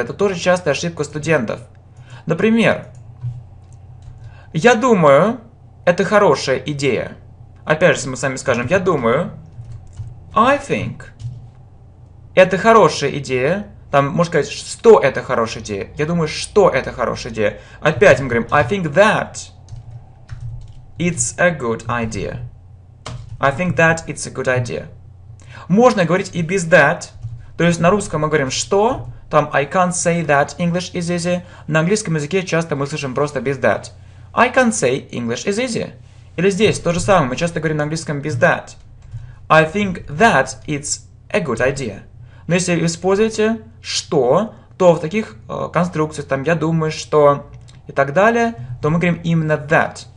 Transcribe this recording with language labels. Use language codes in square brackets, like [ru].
[ru] Это тоже частая ошибка студентов. Например, я думаю, это хорошая идея. Опять же, мы с вами скажем, я думаю, [en] I think, [ru] это хорошая идея. Там можно сказать, что это хорошая идея. Я думаю, что это хорошая идея. Опять мы говорим, [en] I think that. It's a good idea. I think that it's a good idea. [ru] Можно говорить и без that. То есть на русском мы говорим что. Там [en] I can't say that English is easy. [ru] На английском языке часто мы слышим просто без that. [en] I can't say English is easy. [ru] Или здесь то же самое. Мы часто говорим на английском без that. [en] I think that it's a good idea. [ru] Но если используете что, то в таких конструкциях, там я думаю, что и так далее, то мы говорим именно that.